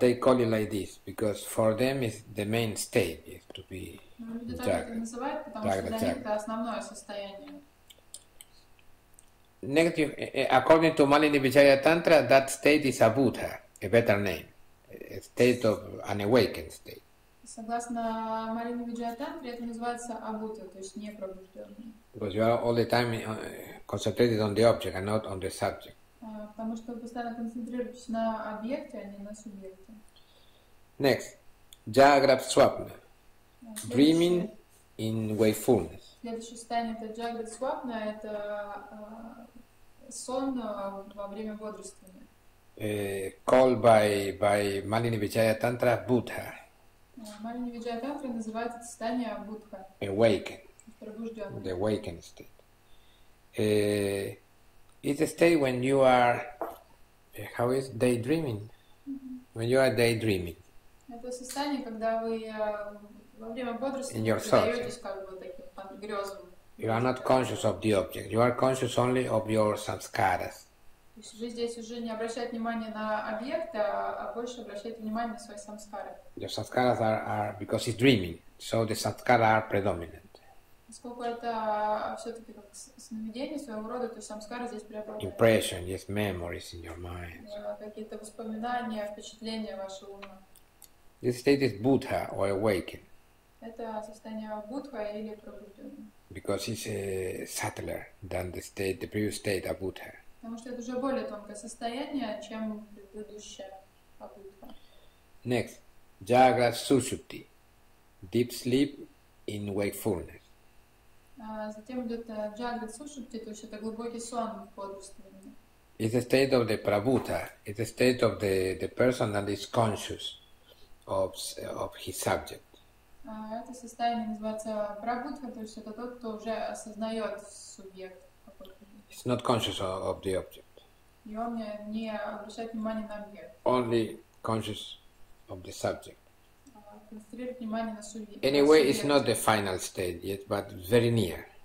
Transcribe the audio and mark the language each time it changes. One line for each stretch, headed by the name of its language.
English: they call it like this because for them it's the main state, yes, to be jagrat. Negative, according to Malini Vijaya Tantra, that state is Abhuta. A better name, a state of an awakened state.
Russian: Согласно Марине Виджая Тантре, это называется абута, то есть не пробужденный.
English: Because you are all the time concentrated on the object and not on the subject.
Russian: Потому что вы постоянно концентрируетесь на объекте, а не на субъекте.
English: Next, jagrat swapna, dreaming in wakefulness.
Russian: Следующее состояние это jagrat swapna, это сон во время бодрствования.
English: Called by Malini Vijaya Tantra Buddha.
Russian: Malini Vijaya Tantra называется состояние Будха.
English: Awaken.
Russian: Пробужденный.
English: The awakened state. It's a state when you are, how is daydreaming? Mm-hmm. When you are daydreaming.
Russian: Это состояние, когда вы во время бодрости
English: in your thoughts,
Russian: как бы, таким грезом.
English: You are not conscious of the object. You are conscious only of your samskaras.
Russian: То есть вы здесь уже не обращаете внимания на объект, а больше обращаете внимание на свои самскары.
English: Your samskaras are because he's dreaming, so the samskaras are predominant.
Russian: Сколько это все-таки как сновидение своего рода, то есть самскары здесь преобладают.
English: Impression, yes, memories in your mind.
Russian: Какие-то воспоминания, впечатления вашего ума.
English: This state is Buddha or awakened.
Russian: Это состояние Будха или пробуждённого.
English: Because it's subtler than the previous state of Buddha.
Russian: Потому что это уже более тонкое состояние, чем предыдущая попытка.
English: Next. Jagrat Sushupti. Deep sleep in wakefulness.
Russian: Затем идет Jagrat Sushupti, то есть это глубокий сон в бодрствовании.
English: It's a state of the prabhuta. It's a state of the person that is conscious of his subject.
Russian: Это состояние называется прабудха, то есть это тот, кто уже осознает субъект.
English: He's not conscious of the object.
Russian: И он не обращает внимания на объект.
English: Only conscious of the subject.
Russian: Концентрирует внимание на субъект.
English: Anyway, it's not the final state yet, but very near.